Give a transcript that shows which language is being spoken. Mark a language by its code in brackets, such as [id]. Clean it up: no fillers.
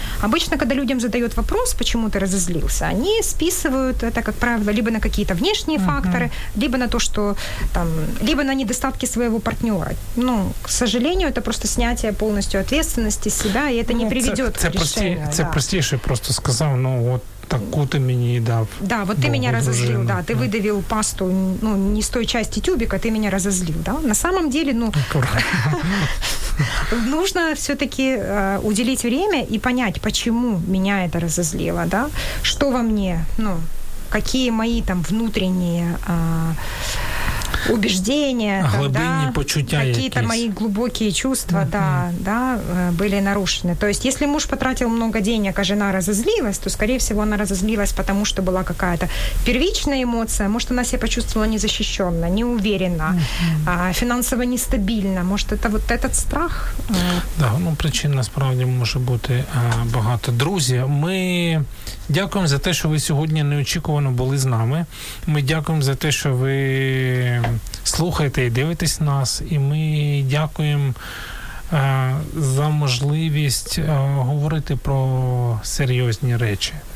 [ru] Обычно, когда людям задают вопрос, почему ты разозлился, они списывают это, как правило, либо на какие-то внешние mm-hmm. факторы, либо на то, что там, либо на недостатки своего партнера. Ну, к сожалению, это просто снятие полностью ответственности с себя, и это не приведет к решению. [uk] Це простіше, просто сказав, ну вот таку ти мені дав. Да, вот ти мене розозлив, да, ти видавив пасту, ну, не з тої частини тюбика, ти мене розозлив, да? [ru] На самом деле, ну, нужно все-таки уделить время и понять, почему меня это разозлило, да? Что во мне, ну, какие мои там внутренние убеждения, глубинные почуття, какие-то мои глубокие чувства, mm-hmm. да, да, были нарушены. То есть, если муж потратил много денег, а жена разозлилась, то, скорее всего, она разозлилась, потому что была какая-то первичная эмоция. Может, она себя почувствовала незащищенно, неуверенно, mm-hmm. финансово нестабильно. Может, это вот этот страх? [uk] Да, ну, причин, насправді, може бути багато. Друзі, ми дякуємо за те, що ви сьогодні неочікувано були з нами. Ми дякуємо за те, що ви слухаєте і дивитесь нас. І ми дякуємо за можливість говорити про серйозні речі.